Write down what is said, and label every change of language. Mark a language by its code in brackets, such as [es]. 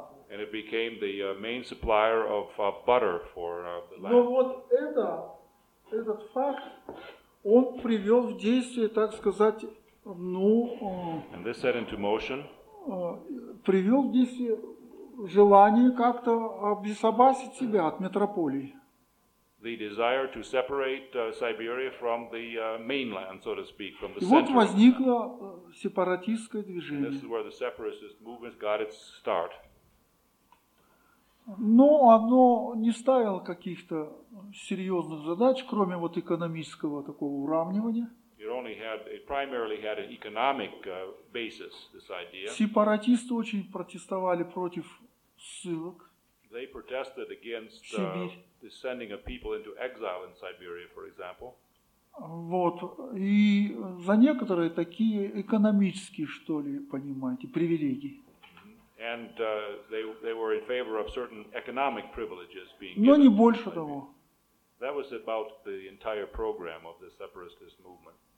[en] And it became the main supplier of butter for the land. [ru] Но вот это, этот факт, он привел в действие, так сказать, ну... [en] And this set into motion. [ru] Привел в действие желание как-то обезопасить себя от метрополии. [en] The desire to separate Siberia from the mainland, so to speak, from the [ru] и [en] center. [ru] Вот возникло сепаратистское движение. [en] And this is where the separatist movement got its start. [ru] Но оно не ставило каких-то серьезных задач, кроме вот экономического такого уравнивания. [en] It only had, it primarily had an economic basis, this idea. [ru] Сепаратисты очень протестовали против ссылок. [en] They protested against the sending of people into exile in Siberia, for example. [ru] Вот. И за некоторые такие экономические, что ли, понимаете, привилегии. [en] And they were in favor of certain economic privileges being given. [ru] Но не больше того. [en] That was about the entire program of the separatist movement.